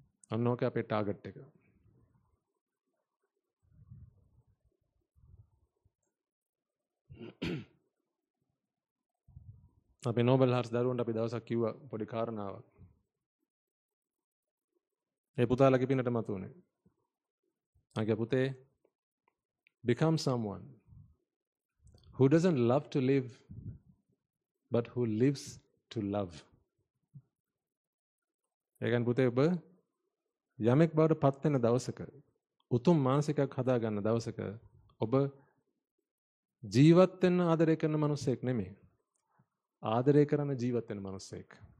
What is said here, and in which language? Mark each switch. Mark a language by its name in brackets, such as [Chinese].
[Sinhala] ඔන්න ඕක අපේ ටාගට් එක. අපි නෝබල් හර්ස් දරුවන්ට අපි දවසක් කිව්වා පොඩි කාරණාවක්. ඒ පුතාලගේ පින්නට මතුනේ. ආගේ පුතේ [English] become someone who doesn't love to live but who lives to love. [Sinhala] ඒ කියන්නේ පුතේ ඔබ යමෙක් බවට පත් වෙන දවසක උතුම් මානසිකයක් හදා ගන්න දවසක ඔබ ජීවත් වෙන ආදරය කරන මිනිසෙක් නෙමෙයි. ආදරය කරන ජීවත් වෙන මිනිසෙක්.